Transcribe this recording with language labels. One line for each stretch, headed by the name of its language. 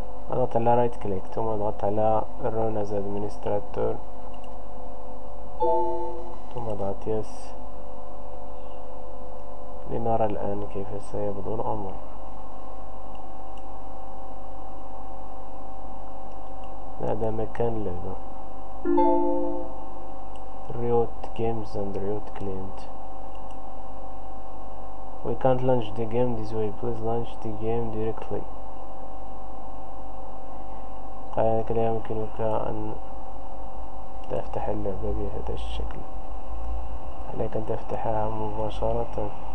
Arabic: أضغط على رايت كليك ثم أضغط على Run as Administrator ثم أضغط يس لنرى الآن كيف سيبدو الأمر. هذا مكان اللعبة Riot Games and Riot Client.
English: We can't launch the game this way. Please launch the game directly.
Arabic: قالك لا يمكنك أن تفتح اللعبة بهذا الشكل، عليك أن تفتحها مباشرة.